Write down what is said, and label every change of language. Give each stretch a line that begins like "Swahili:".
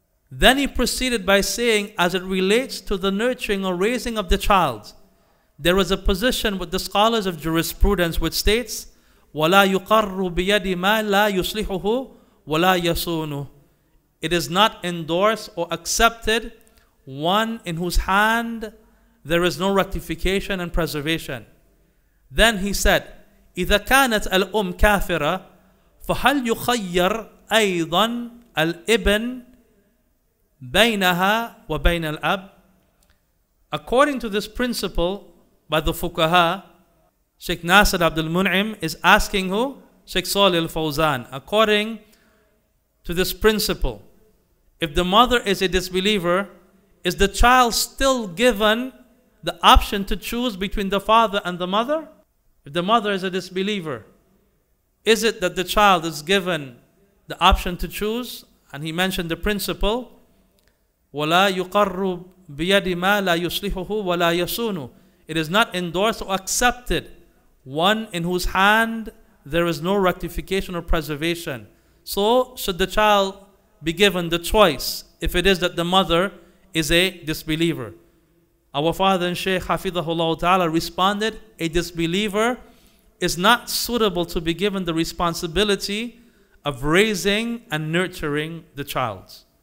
English: Then he proceeded by saying, as it relates to the nurturing or raising of the child, there is a position with the scholars of jurisprudence which states,
Arabic: وَلَا يُقَرُّ بِيَدِ مَا لَا يُصْلِحُهُ وَلَا يَصُونُهُ.
English: It is not endorsed or accepted one in whose hand there is no rectification and preservation. Then he said,
Arabic: إِذَا كَانَتْ الْأُمْ كَافِرًا فَهَلْ يُخَيَّرْ أَيْضًا الْإِبْنِ بَيْنَهَا وَبَيْنَ الْأَبْ.
English: According to this principle by the fuqaha, Shaykh Naasir Abdul Mun'im is asking who? Shaykh Saalih Fawzaan. According to this principle, if the mother is a disbeliever, is the child still given the option to choose between the father and the mother? If the mother is a disbeliever, is it that the child is given the option to choose? And he mentioned the principle,
Arabic: وَلَا يُقَرُّ بِيَدِ مَا لَا يُصْلِحُهُ وَلَا يَصُونُ.
English: It is not endorsed or accepted one in whose hand there is no rectification or preservation. So should the child be given the choice if it is that the mother is a disbeliever? Our father and Shaykh Hafidhahullah Ta'ala responded, a disbeliever is not suitable to be given the responsibility of raising and nurturing the child.